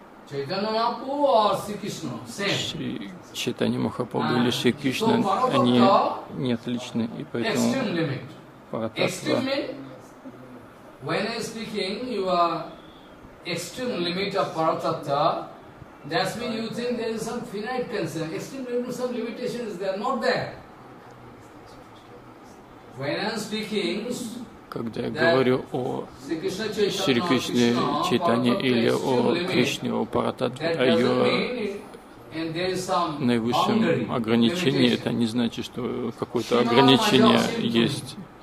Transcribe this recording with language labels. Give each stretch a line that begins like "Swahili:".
Russian: Шри Чайтанья Махапрабху или Шри Кришна, они не отличны, и поэтому Парататтва.
English: When I'm speaking, you are extreme limit of Paratattva. That's mean you think there is some finite concern. Extreme limit, some limitation is there, not there. When I'm speaking,
Russian: когда я говорю о Шри Кришне Чайтанье или о Кришне, о Парататтве, о ее наивысшем ограничении, это не значит, что какое-то ограничение есть.